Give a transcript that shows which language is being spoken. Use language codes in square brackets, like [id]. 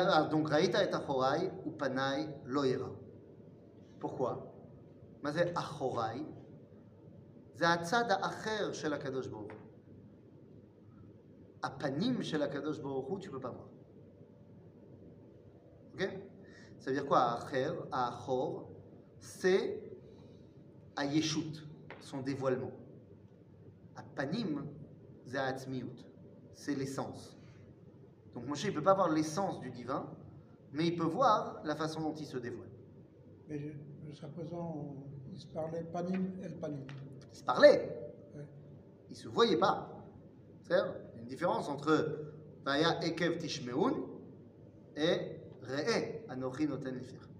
[fr] Donc, Raïta est à Horaï, ou Panaï, Loïra. Pourquoi? [he] מה זה אחוריי? זה הצד האחר של הקדוש ברוך הוא. הפנים של הקדוש ברוך הוא שבבמה. אוקיי? זה בדיוק האחר, האחור, זה הישות, [fr] son dévoilement. [he] הפנים זה העצמיות, זה לסנס. [fr] Donc Moshe, il ne peut pas voir l'essence du divin, mais il peut voir la façon dont il se dévoile. Mais jusqu'à présent, il se parlait panim et le panim. Il se parlait. Ouais. Il ne se voyait pas. C'est-à-dire, il y a une différence entre Vaya Ekev Tishmeun et Re'e Anochi Noten Lefer.